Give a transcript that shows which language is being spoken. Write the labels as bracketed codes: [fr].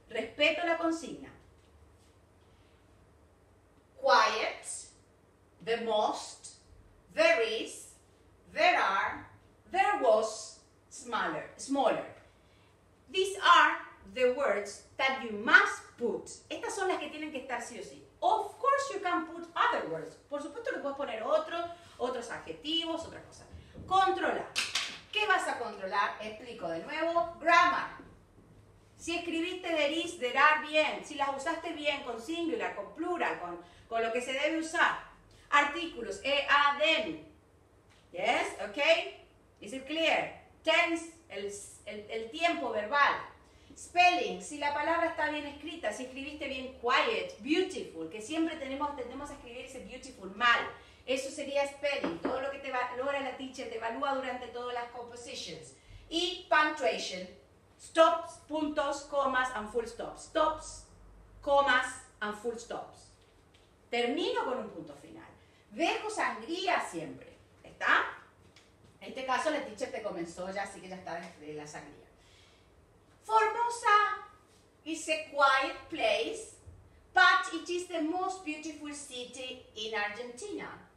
[es] Respeto la consigna. [en] Quiet, the most, there is, there are, there was, smaller. These are the words that you must put. [es] Estas son las que tienen que estar sí o sí. [en] Of course you can put other words. [es] Por supuesto que puedes poner otros adjetivos, otras cosas. Controla. ¿Qué vas a controlar? Explico de nuevo. Grammar. Si escribiste there is, there are bien. Si las usaste bien con singular, con plural, con lo que se debe usar. [en] Artículos. E, a, them. Yes, okay. Is it clear? [es] Tense, el tiempo verbal. Spelling, si la palabra está bien escrita, si escribiste bien quiet, beautiful, que siempre tendemos a escribir ese beautiful mal. Eso sería spelling, todo lo que te logra la teacher, te evalúa durante todas las compositions. [en] Y punctuation, stops, puntos, comas, and full stops. Stops, comas, and full stops. [es] Termino con un punto final. Dejo sangría siempre, ¿está? En este caso la teacher te comenzó ya, así que ya está desde la sangría. [en] Formosa is a quiet place, but it is the most beautiful city in Argentina.